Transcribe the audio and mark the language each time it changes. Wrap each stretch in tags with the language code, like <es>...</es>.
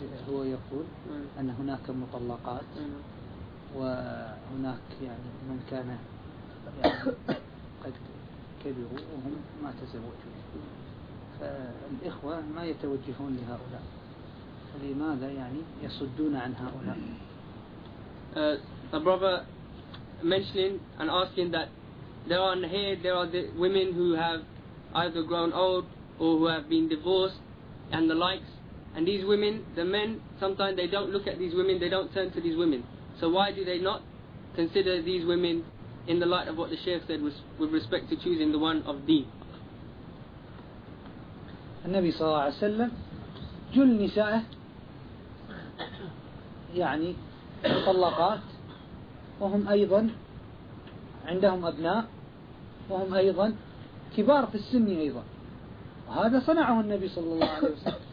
<ar>هو يقول أن هناك مطلقات وهناك يعني من كان يعني قد كبروا وهم ما تزوجوا، فالإخوة ما يتوجهون لهؤلاء، فلماذا يعني يصدون عن هؤلاء؟</ar> <en>The brother mentioning and asking that there are women who have either grown old or who have been divorced and the likes. And these women, the men, sometimes they don't look at these women, they don't turn to these women. So why do they not consider these women in the light of what the Shaykh said with respect to choosing the one of deen?</en> <ar>النبي صلى الله عليه وسلم جل نسائه يعني مطلقات وهم أيضا عندهم أبناء وهم أيضا كبار في السن أيضا، وهذا صنعه النبي صلى الله عليه وسلم.</ar>